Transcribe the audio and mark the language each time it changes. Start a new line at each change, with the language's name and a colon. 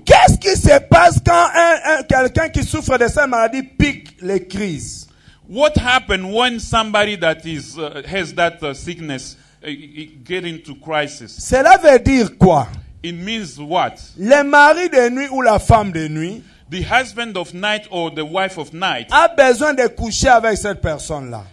French: Qu'est-ce qui se passe quand quelqu'un qui souffre de cette maladie pique les crises?
English: What happens when somebody that is has that sickness get into crisis?
French: Cela veut dire quoi?
English: It means what?
French: Le mari de nuit ou la femme de nuit,
English: the husband of night or the wife of night,
French: a besoin de coucher avec cette personne-là.